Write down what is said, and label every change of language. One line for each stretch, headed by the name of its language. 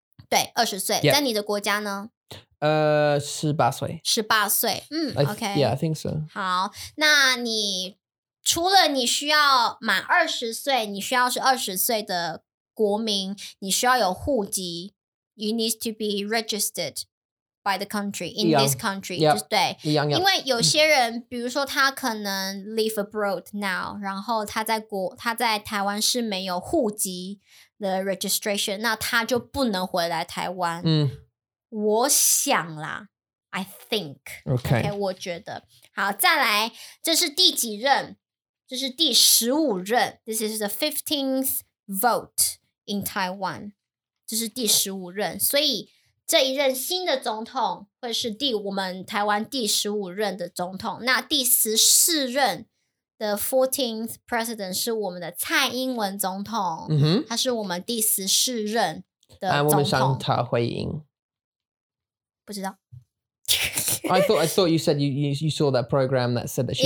Chinese: 对，二十岁。在你的国家呢？ 18岁。
English: OK. Yeah, I think so.
Chinese: 好，那你除了你需要满20岁，你需要是20岁的国民，你需要有户籍。
English: You need to be registered by the country in this country. Yeah.
Chinese: 就是对，因为有些人，比如说他可能
English: live abroad now，
Chinese: 然后他在台湾是没有户籍的
English: registration，
Chinese: 那他就不能回来台湾。嗯。我想啦
English: I think okay.
Chinese: OK 我觉得好再来这是第几任这是第十五任
English: This is the 15th vote in Taiwan
Chinese: 这是第十五任所以这一任新的总统会是第我们台湾第十五任的总统那第十四任
English: The 14th president
Chinese: 是我们的蔡英文总统、 mm-hmm. 他是我们第十四任的总统我们想他会赢不知道。
English: I thought you said you saw that program that said that she's